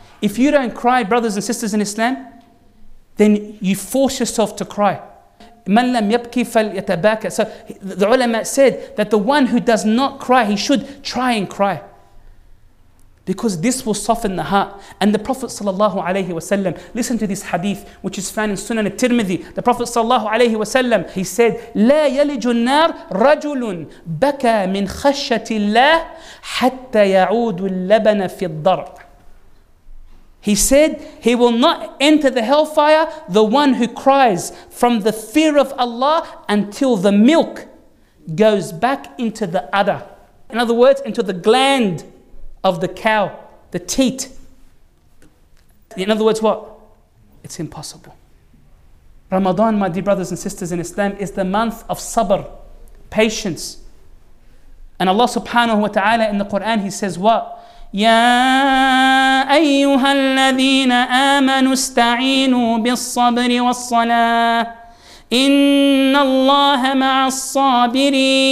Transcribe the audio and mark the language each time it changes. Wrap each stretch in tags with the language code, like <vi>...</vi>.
<en>If you don't cry, brothers and sisters in Islam, then you force yourself to cry.</en> <ar>مَنْ لَمْ يَبْكِي فَلْيَتَبَاكَ.</ar> <en>So the ulama said that the one who does not cry, he should try and cry. Because this will soften the heart. And the Prophet sallallahu alayhi wasallam, listen to this hadith, which is found in Sunan al-Tirmidhi. The Prophet sallallahu alayhi wasallam, he said,</en> <ar>لَا يَلِجُ النَّارِ رَجُلٌ بَكَى مِنْ خَشَّةِ اللَّهِ حَتَّى يَعُودُ اللَّبَنَ فِي الضَّرْعِ.</ar> <en>He said, he will not enter the hellfire, the one who cries from the fear of Allah until the milk goes back into the udder. In other words, into the gland of the cow, the teat. In other words, what? It's impossible. Ramadan, my dear brothers and sisters in Islam, is the month of sabr, patience. And Allah subhanahu wa ta'ala in the Quran, he says what?</en> <ar>يا أيها الذين آمنوا استعينوا بالصبر والصلاة إن الله مع الصابرين.</ar>